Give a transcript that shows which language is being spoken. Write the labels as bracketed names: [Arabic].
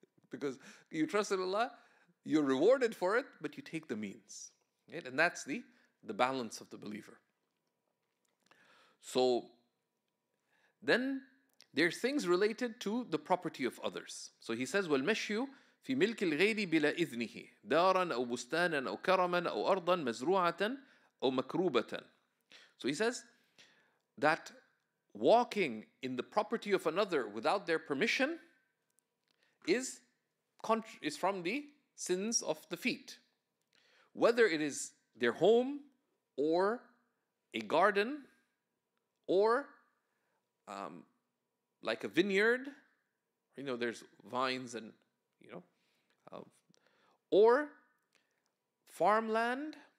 [English] Because you trusted Allah, you're rewarded for it, but you take the means. Right? And that's the balance of the believer. So then there's things related to the property of others. So he says, [Arabic] وَالْمَشْيُ فِي مِلْكِ الْغَيْرِ بِلَا إِذْنِهِ دَارًا أَوْ بُسْتَانًا أَوْ كَرَمًا أَوْ أَرْضًا مَزْرُوعَةً أَوْ مَكْرُوبَةً. [English] So he says that walking in the property of another without their permission is from the sins of the feet. Whether it is their home or a garden or like a vineyard, you know, there's vines and, you know, or farmland.